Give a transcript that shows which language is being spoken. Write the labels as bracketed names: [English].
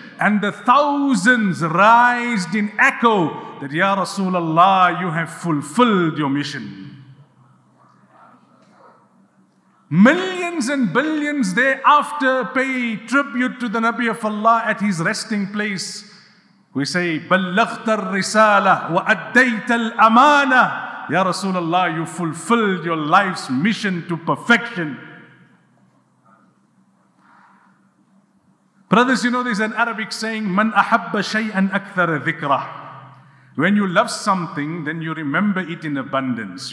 [English] And the thousands raised in echo that, Ya Rasulullah, you have fulfilled your mission. Millions and billions thereafter pay tribute to the Nabi of Allah at his resting place. [Arabic] We say, بلغت الرسالة وأديت الأمانة. [English] Ya Rasulullah, you fulfilled your life's mission to perfection. Brothers, you know there's an Arabic saying, من أحب شيئا أكثر ذكرى. When you love something, then you remember it in abundance.